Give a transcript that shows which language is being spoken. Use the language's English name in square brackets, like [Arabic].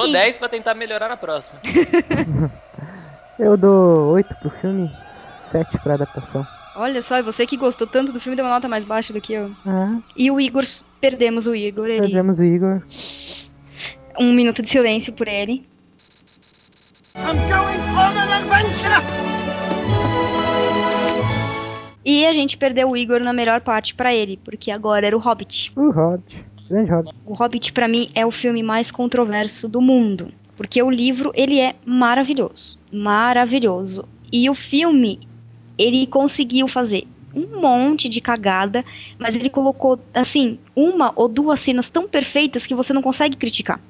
[Portuguese] Só não dou 10 pra tentar melhorar na próxima. Eu dou 8 pro filme, 7 pra adaptação. Olha só, você que gostou tanto do filme deu uma nota mais baixa do que eu. Ah. E o Igor, perdemos o Igor. Perdemos ele. O Igor. Um minuto de silêncio por ele. [English] I'm going on an adventure! [Portuguese] E a gente perdeu o Igor na melhor parte pra ele, porque agora era o Hobbit. O Hobbit. Grande Hobbit. O Hobbit, pra mim, é o filme mais controverso do mundo. Porque o livro, ele é maravilhoso. Maravilhoso. E o filme, ele conseguiu fazer um monte de cagada, mas ele colocou, assim, uma ou duas cenas tão perfeitas que você não consegue criticar.